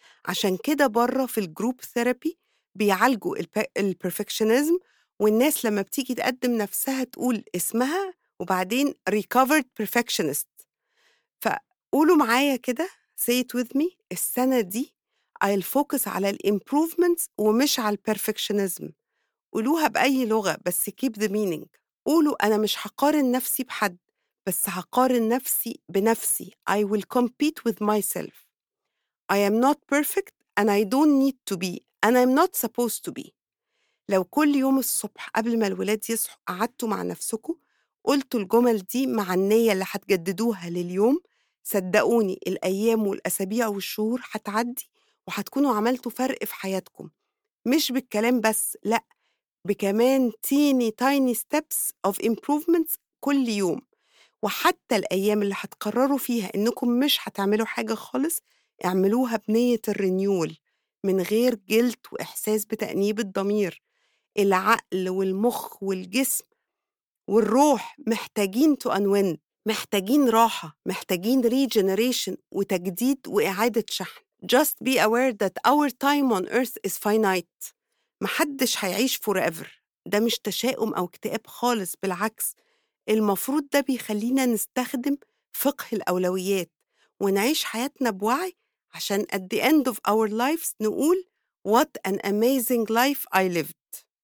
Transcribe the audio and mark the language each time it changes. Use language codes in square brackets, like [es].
[ar] عشان كده بره في الجروب ثيرابي بيعالجوا البرفكشنزم، والناس لما بتيجي تقدم نفسها تقول اسمها وبعدين [en] recovered perfectionist. [ar] فقولوا معايا كده، [en] say it with me، [ar] السنة دي [en] I'll focus [ar] على الimprovements ومش على البرفكشنزم. قولوها بأي لغة بس [en] keep the meaning. [ar] قولوا أنا مش هقارن نفسي بحد، بس هقارن نفسي بنفسي. [en] I will compete with myself. I am not perfect and I don't need to be and I'm not supposed to be. [ar] لو كل يوم الصبح قبل ما الولاد يصحوا قعدتوا مع نفسكم قلتوا الجمل دي مع النية اللي هتجددوها لليوم، صدقوني الأيام والأسابيع والشهور هتعدي وهتكونوا عملتوا فرق في حياتكم. مش بالكلام بس، لأ، بكمان [en] tiny tiny steps of improvements [ar] كل يوم. وحتى الايام اللي هتقرروا فيها انكم مش هتعملوا حاجه خالص، اعملوها بنيه الرينيول من غير جلد واحساس بتانيب الضمير. العقل والمخ والجسم والروح محتاجين [en] to unwind, [ar] محتاجين راحه، محتاجين ريجينريشن وتجديد واعاده شحن. [en] Just be aware that our time on earth is finite. [ar] محدش هيعيش forever، ده مش تشاؤم أو اكتئاب خالص، بالعكس المفروض ده بيخلينا نستخدم فقه الأولويات ونعيش حياتنا بوعي، عشان [en] at the end of our lives [ar] نقول [en] what an amazing life I lived.